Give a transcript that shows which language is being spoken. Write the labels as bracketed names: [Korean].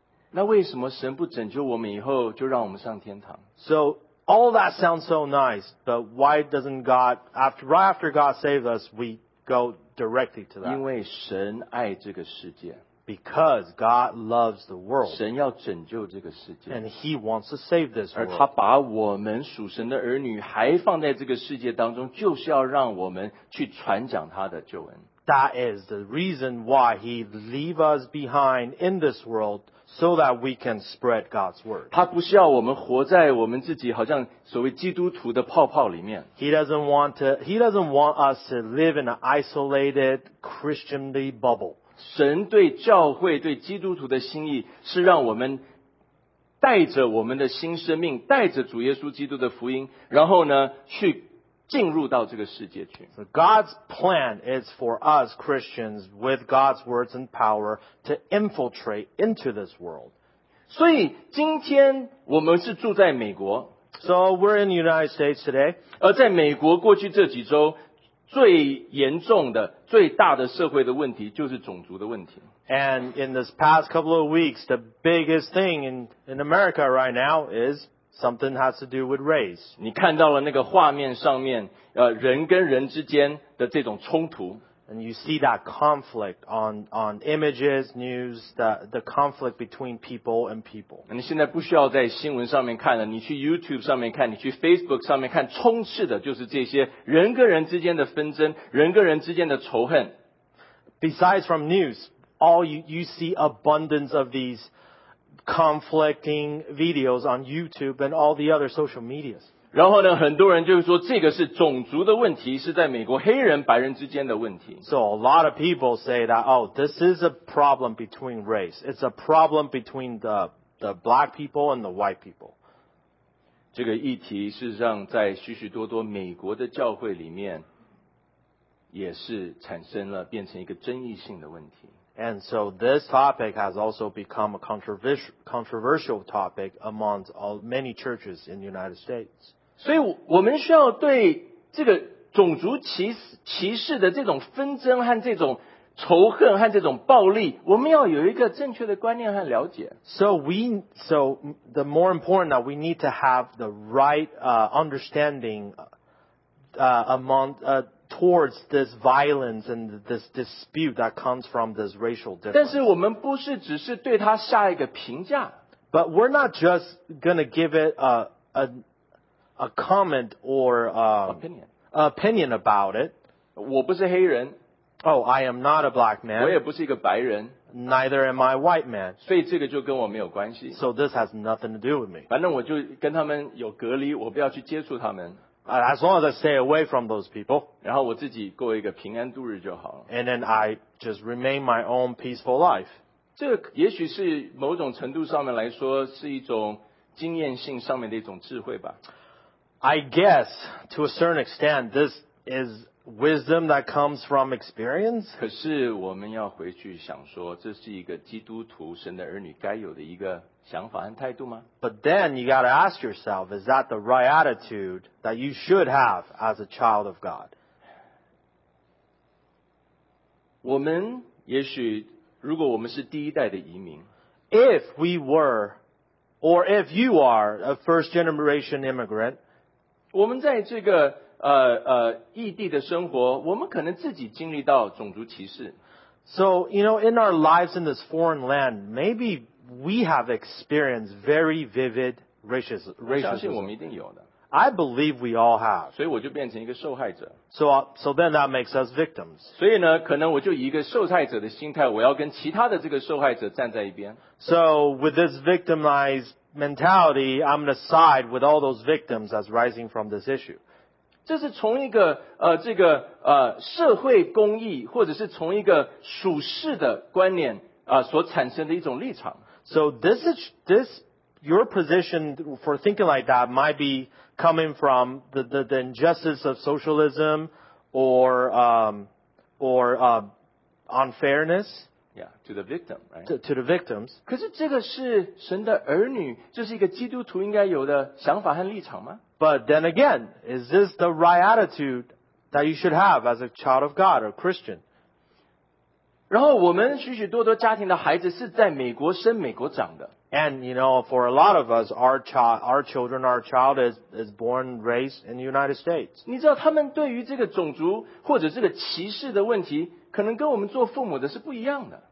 [Chinese] 那为什么神不拯救我们以后就让我们上天堂？ [English] So all that sounds so nice, but why doesn't God, right after God saved us, we go directly to that? [Chinese] 因为神爱这个世界。 [English] Because God loves the world. [Chinese] 神要拯救这个世界。 [English] And he wants to save this world. [Chinese] 而他把我们属神的儿女还放在这个世界当中，就是要让我们去传讲他的救恩。 [English] That is the reason why he leave us behind in this world so that we can spread God's word. [Chinese] 他不需要我们活在我们自己好像所谓基督徒的泡泡里面。 [English] He doesn't want us to live in an isolated Christianly bubble. [Chinese] 神对教会对基督徒的心意是让我们带着我们的新生命带着主耶稣基督的福音然后呢去进入到这个世界去。 [English] So God's plan is for us Christians with God's words and power to infiltrate into this world. [Chinese] 所以今天我们是住在美国。 [English] So we're in the United States today. [Chinese] 而在美国过去这几周最严重的最大的社会的问题就是种族的问题。 [English] And in this past couple of weeks, the biggest thing in America right now is something has to do with race. [Chinese] 你看到了那个画面上面人跟人之间的这种冲突。 [English] And you see that conflict on images, news, the conflict between people and people. [Chinese] 你现在不需要在新闻上面看了，你去 YouTube 上面看，你去 Facebook 上面看，充斥的就是这些人跟人之间的纷争，人跟人之间的仇恨。 [English] Besides from news, all you see abundance of these conflicting videos on YouTube and all the other social medias. [Chinese] 然后呢，很多人就是说，这个是种族的问题，是在美国黑人白人之间的问题。 [English] So a lot of people say that, oh, this is a problem between race. It's a problem between the black people and the white people. [Chinese] 这个议题事实上在许许多多美国的教会里面，也是产生了变成一个争议性的问题。 [English] And so this topic has also become a controversial topic among many churches in the United States. [Chinese] 所以我们需要对这个种族歧视的这种纷争和这种仇恨和这种暴力，我们要有一个正确的观念和了解。 [English] So the more important that we need to have the right understanding towards this violence and this dispute that comes from this racial difference. [Chinese] 但是我们不是只是对它下一个评价。 [English] But we're not just gonna give it a comment or opinion about it. [Chinese] 我不是黑人。 [English] Oh, I am not a black man. [Chinese] 我也不是一个白人。 [English] Neither am I a white man. [Chinese] 所以这个就跟我没有关系。 [English] So this has nothing to do with me. [Chinese] 反正我就跟他们有隔离，我不要去接触他们。 [English] As long as I stay away from those people. [Chinese] 然后我自己过一个平安度日就好了。 [English] And then I just remain my own peaceful life. [Chinese] 这也许是某种程度上面来说是一种经验性上面的一种智慧吧。 [English] I guess, to a certain extent, this is wisdom that comes from experience. [Chinese] 可是我们要回去想说，这是一个基督徒神的儿女该有的一个想法和态度吗? [English] But then you got to ask yourself, is that the right attitude that you should have as a child of God? [Chinese] 我们也许如果我们是第一代的移民, [English] if we were, or if you are a first generation immigrant, [Chinese] 我们在这个异地的生活，我们可能自己经历到种族歧视。 [English] So, you know, in our lives in this foreign land, maybeWe have experienced very vivid racism. [Chinese] 我相信我们一定有的。 [English] I believe we all have. [Chinese] 所以我就变成一个受害者。 [English] So then that makes us victims. [Chinese] 所以呢，可能我就以一个受害者的心态，我要跟其他的这个受害者站在一边。 [English] So with this victimized mentality, I'm going to side with all those victims as rising from this issue. [Chinese] 这是从一个这个社会公益，或者是从一个属世的观念。所产生的一种立场。 [English] So this your position for thinking like that might be coming from the injustice of socialism or unfairness. Yeah, to the victim, right? To the victims. [Chinese] 可是这个是神的儿女，这是一个基督徒应该有的想法和立场吗？ [English] But then again, is this the right attitude that you should have as a child of God or Christian? [Chinese] 然后我们许许多多家庭的孩子是在美国生美国长的。 [English] And, you know, for a lot of us, our child is born and raised in the United States. [Chinese] 你知道他们对于这个种族或者这个歧视的问题可能跟我们做父母的是不一样的。